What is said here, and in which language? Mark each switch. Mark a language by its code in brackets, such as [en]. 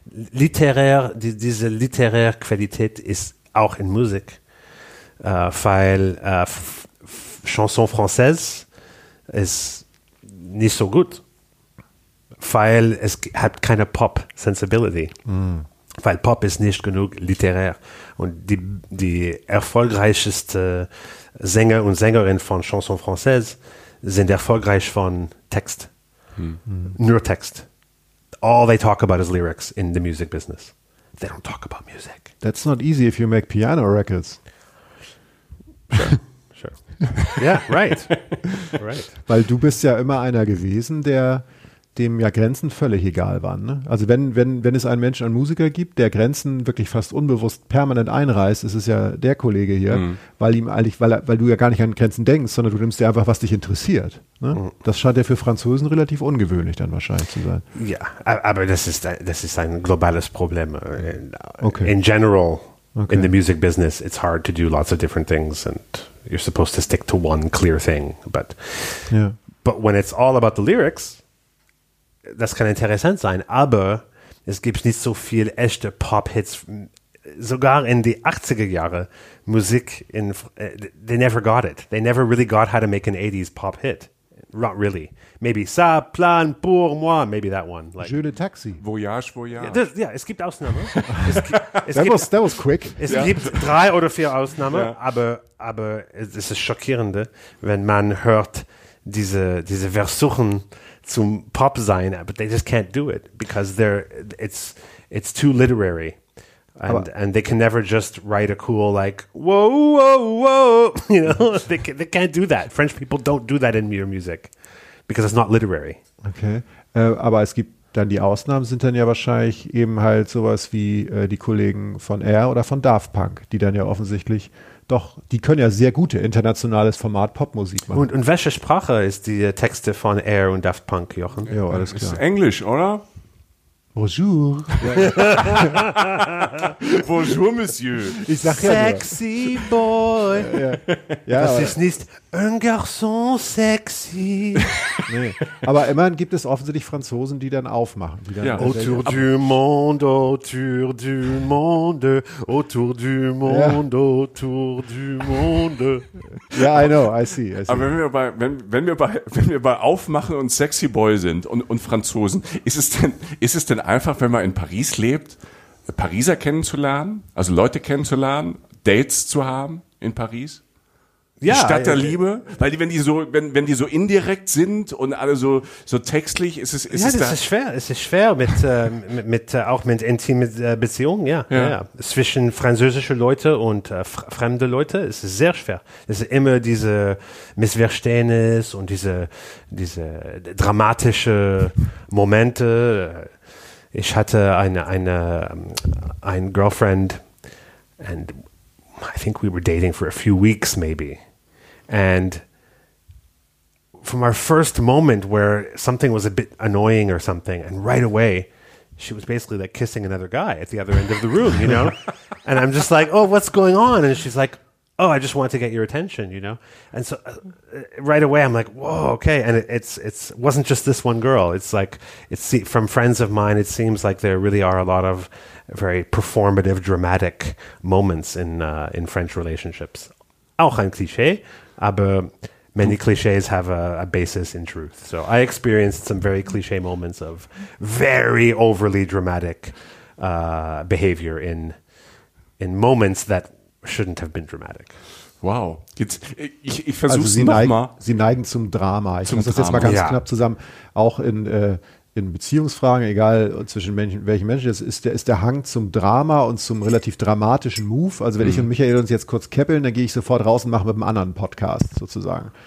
[de] Diese literäre Qualität ist auch in Musik, weil Chanson française ist nicht so gut, weil es hat keine Pop-Sensibility. Weil Pop ist nicht genug literär. Und die erfolgreichsten Sänger und Sängerinnen von Chanson française sind erfolgreich von Text. Nur Text. [en] All they talk about is lyrics in the music business. They don't talk about music. That's not easy if you make piano records. Sure. Yeah, right. [de] Weil du bist ja immer einer gewesen, der dem ja Grenzen völlig egal waren. Ne? Also wenn es einen Menschen, einen Musiker gibt, der Grenzen wirklich fast unbewusst permanent einreißt, ist es ja der Kollege hier, weil du ja gar nicht an Grenzen denkst, sondern du nimmst dir einfach, was dich interessiert. Ne? Mhm. Das scheint ja für Franzosen relativ ungewöhnlich dann wahrscheinlich zu sein. Ja, aber das ist ein globales Problem. Okay. [en] In general, in the music business, it's hard to do lots of different things and you're supposed to stick to one clear thing. But when it's all about the lyrics, [de] das kann interessant sein, aber es gibt nicht so viele echte Pop-Hits. Sogar in die 80er Jahre, Musik, [en] they never got it. They never really got how to make an 80s Pop-Hit. Not really. Maybe Ça plan pour moi, maybe that one. [fr] Like, Je le taxi. Voyage. [de] Ja, es gibt Ausnahmen. [en] That was quick. [de] Es gibt drei oder vier Ausnahmen, aber es ist schockierend, wenn man hört diese Versuchen zum Pop sein, [en] but they just can't do it because it's too literary and they can never just write a cool like whoa, you know. they can't do that. French people don't do that in your music because it's not literary. [de] Okay, aber es gibt dann die Ausnahmen, sind dann ja wahrscheinlich eben halt sowas wie die Kollegen von R oder von Daft Punk, die dann ja offensichtlich doch, die können ja sehr gute internationales Format Popmusik machen. Und welche Sprache ist die Texte von Air und Daft Punk, Jochen? Ja, alles klar. Ist Englisch, oder? [fr] Bonjour. Bonjour, Monsieur. [de] Ich sag ja [en] sexy [de] nur. [en] Boy. [de] Ja, das ist nicht [fr] un garçon sexy. [de] Nee. Aber immerhin gibt es offensichtlich Franzosen, die dann aufmachen. Die dann [fr] autour du monde, autour du monde, autour du monde, autour du monde. [en] Ja, yeah, I know, I see. [de] Aber wenn wir bei aufmachen und sexy Boy sind und Franzosen, ist es denn einfach, wenn man in Paris lebt, Pariser kennenzulernen, also Leute kennenzulernen, Dates zu haben in Paris? Ja, die Stadt der Liebe, weil die, wenn die so indirekt sind und alle so textlich, ist es schwer mit intime Beziehungen, ja. Zwischen französische Leute und fremde Leute ist es sehr schwer. Es ist immer diese Missverständnis und diese dramatische Momente. Ich hatte eine [en] Girlfriend and I think we were dating for a few weeks maybe. And from our first moment where something was a bit annoying or something, and right away, she was basically like kissing another guy at the other end of the room, you know? And I'm just like, oh, what's going on? And she's like, oh, I just want to get your attention, you know? And so right away, I'm like, whoa, okay. And it's wasn't just this one girl. It's like, it's from friends of mine, it seems like there really are a lot of very performative, dramatic moments in French relationships. [de] Auch ein Klischee. [en] But many clichés have a basis in truth. So I experienced some very cliché moments of very overly dramatic behavior in moments that shouldn't have been dramatic. [de] Wow. Ich versuche es nochmal. Sie neigen zum Drama. Ich fasse das jetzt mal ganz knapp zusammen. Auch in Beziehungsfragen, egal zwischen welchen Menschen, das ist der Hang zum Drama und zum relativ dramatischen Move. Also wenn ich und Michael uns jetzt kurz käppeln, dann gehe ich sofort raus und mache mit einem anderen Podcast sozusagen.